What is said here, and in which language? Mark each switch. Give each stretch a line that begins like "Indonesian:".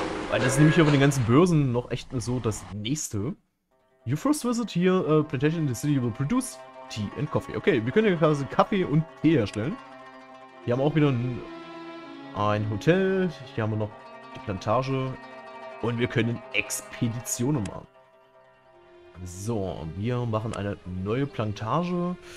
German: Weil das ist nämlich hier von den ganzen Börsen noch echt so das nächste.
English: Your first visit here, Plantation in the city will produce Tea and Coffee.
German: Okay, wir können hier quasi Kaffee und Tee herstellen. Hier haben wir auch wieder ein Hotel. Hier haben wir noch die Plantage. Und wir können Expeditionen machen. So, wir machen eine neue Plantage.